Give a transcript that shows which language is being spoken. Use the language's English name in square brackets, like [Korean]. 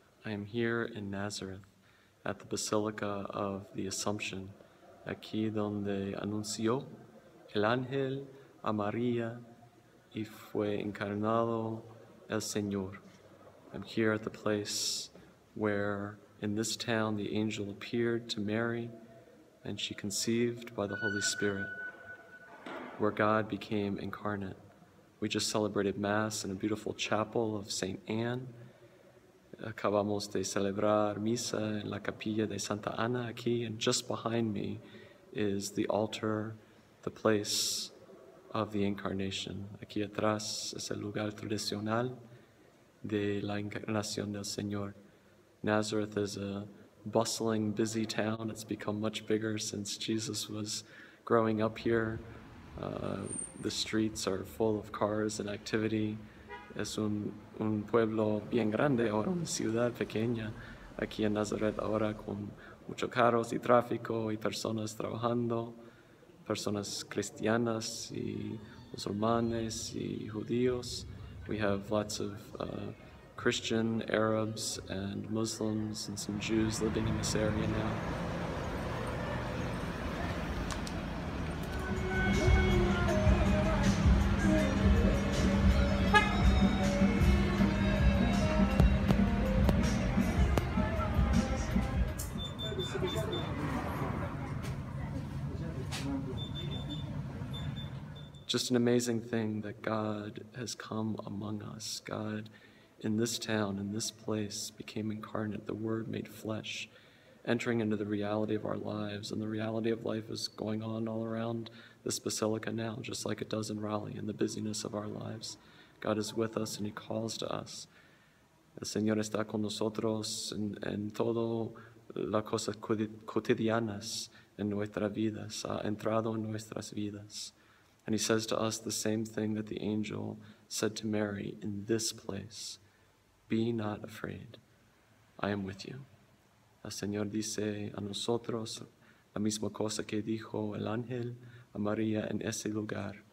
[English] I am here in Nazareth at the Basilica of the Assumption. [Spanish] Aquí donde anunció el ángel a María y fue encarnado el Señor. [English] I'm here at the place where in this town the angel appeared to Mary, and she conceived by the Holy Spirit, where God became incarnate. We just celebrated Mass in a beautiful chapel of Saint Anne. [Spanish] Acabamos de celebrar misa en la capilla de Santa Ana aquí, [English] and just behind me is the altar, the place of the Incarnation. [Spanish] Aquí atrás es el lugar tradicional de la Encarnación del Señor. [English] Nazareth is a bustling, busy town. It's become much bigger since Jesus was growing up here. The streets are full of cars and activity. [Spanish] Es un pueblo bien grande ahora, una ciudad pequeña aquí en Nazaret ahora, con muchos carros y tráfico y personas trabajando, personas cristianas y musulmanes y judíos. [English] We have lots of Christian, Arabs, and Muslims, and some Jews living in this area now. Just an amazing thing that God has come among us. God, in this town, in this place, became incarnate, the Word made flesh, entering into the reality of our lives. And the reality of life is going on all around this basilica now, just like it does in Raleigh, in the busyness of our lives. God is with us and He calls to us. [Spanish] El Señor está con nosotros en todo las cosas cotidianas en nuestras vidas, ha entrado en nuestras vidas. [English] And He says to us the same thing that the angel said to Mary, in this place, be not afraid, I am with you. [Spanish] El Señor dice a nosotros la misma cosa que dijo el ángel a María en ese lugar.